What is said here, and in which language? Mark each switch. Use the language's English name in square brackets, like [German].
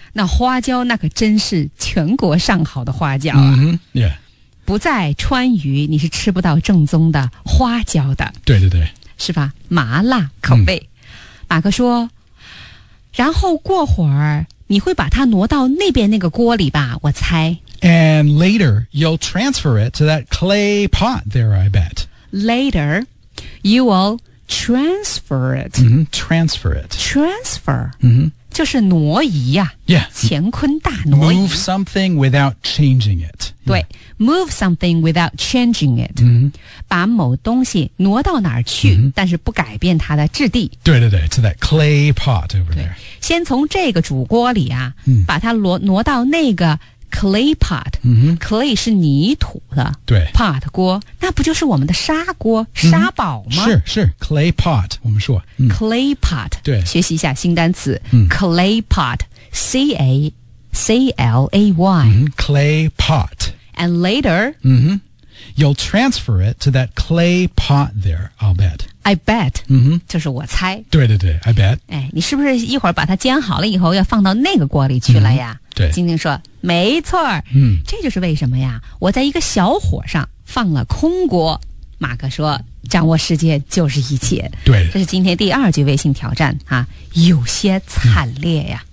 [Chinese] 那花椒那可真是全国上好的花椒啊、 [English] mm-hmm. yeah. [Chinese] 不在川渝你是吃不到正宗的花椒的对对对是吧麻辣口味、mm. 马克说然后过会儿你会把它挪到那边那个锅里吧我猜 [English] And later you'll transfer it to that clay pot there I bet Later you willTransfer it、 mm-hmm. Transfer it Transfer、 mm-hmm. [Chinese] 就是挪移啊 [English] Yeah [Chinese] 乾坤大挪移 [English] Move something without changing it 对、yeah. Move something without changing it、 mm-hmm. [Chinese] 把某东西挪到哪儿去、mm-hmm. 但是不改变它的质地 [English] 对对对 To that clay pot over there [Chinese] 先从这个煮锅里啊、mm-hmm. 把它挪到那个 clay pot、 mm-hmm. Clay 是泥土的对 Pot 锅那不就是我们的砂锅砂煲吗、 mm-hmm. 是 clay pot 我们说、嗯、clay pot 对学习一下新单词、嗯、 [English] clay pot C-A-C-L-A-Y、 mm-hmm. clay pot and later、 mm-hmm. you'll transfer it to that clay pot there I'll bet I bet、 mm-hmm. [Chinese] 就是我猜对对对 [English] I bet [Chinese] 哎，你是不是一会儿把它煎好了以后要放到那个锅里去了呀、mm-hmm. 对晶晶说没错、嗯、这就是为什么呀我在一个小火上放了空锅马克说掌握世界就是一切对这是今天第二句微信挑战啊，有些惨烈呀、